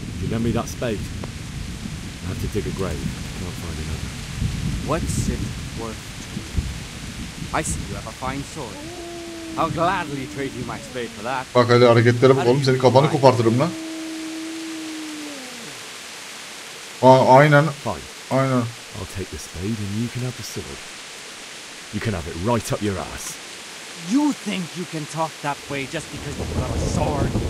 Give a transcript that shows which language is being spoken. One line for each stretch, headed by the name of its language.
English: Lend me that spade. I have to dig a grave. Can't find another. What's it worth to you? I see you have a fine sword. I'll gladly trade you my spade for that.
Turkish: Bak hadi hareketlerim oğlum, senin kafanı kopartırım lan. Aynen.
English: Fine.
Turkish: Aynen.
English: I'll take the spade and you can have the sword. You can have it right up your ass. You think you can talk that way just because you've got a sword?